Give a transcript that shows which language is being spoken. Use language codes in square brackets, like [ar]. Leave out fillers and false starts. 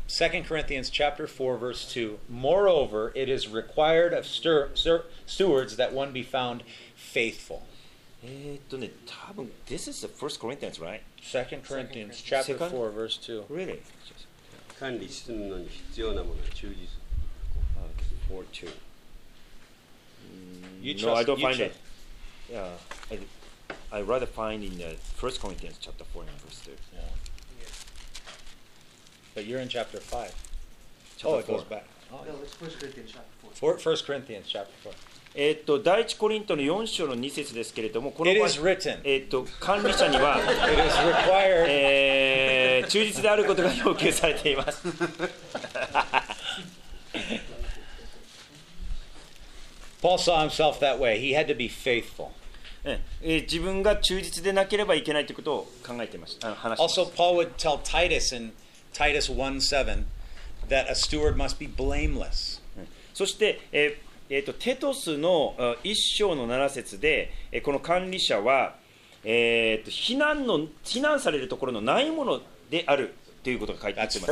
[en] 2 Corinthians chapter 4 verse 2 Moreover, it is required of stewards that one be found faithful. [ja] 多分 [en] this is the first Corinthians, right? Second Corinthians, chapter 4, verse 2. Really? [ja] 管理するのに必要なものは忠実。 [en] 4, 2. No, I don't find it. Yeah, I'd rather find in the first Corinthians, chapter 4, and verse 2. Yeah. But you're in chapter 5. Chapter 4. It goes back. 1 Corinthians chapter 4. [ja] 第一コリントの4章の2節ですけれども、この場合、管理者には [en] It is required. [ja] 忠実であることが要求されています。 [en] Paul saw himself that way. He had to be faithful. [ja] 自分が忠実でなければいけないということを考えています。 [en] Also, Paul would tell Titus in Titus 1:7 that a steward must be blameless. [ja] そして、テトスの一章の七節で、この管理者は、非難されるところのないものであるということが書いてあります。